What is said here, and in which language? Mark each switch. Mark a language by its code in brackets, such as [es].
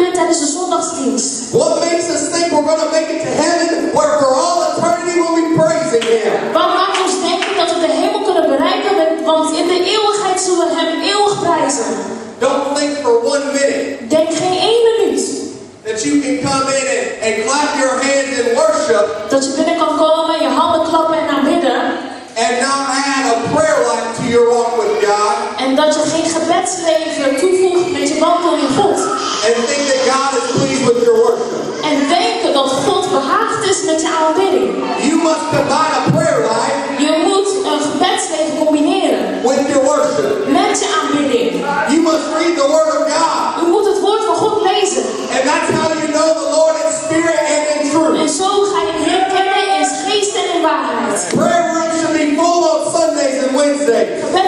[en] What makes us think we're going to make it to heaven where for all eternity we'll be praising him? [nl] Wat maakt ons denken dat we de hemel kunnen bereiken, want in de eeuwigheid zullen we hem eeuwig prijzen. [en] Don't think for one minute. [nl] Denk geen 1 minuut. [en] That you can come in and clap your hands in worship. [nl] Dat je binnen kan komen, je handen klappen en aanbidden. [en] And not add a prayer life to your walk with God. [nl] En dat je geen gebedsleven toevoegt met je wandel in God. [en] And think that God is pleased with your worship. [nl] En denken dat God behaagd is met je aanbidding. [en] You must combine a prayer life. [nl] Je moet een gebedsleven combineren. [en] With your worship. [nl] Met je aanbidding. [en] You must read the word of God. [nl] U moet het woord van God lezen. [en] And that's how you know the Lord in spirit and in truth. [nl] En zo ga je hem herkennen in geest en in waarheid. [en] Prayer rooms should be full of Wednesdays.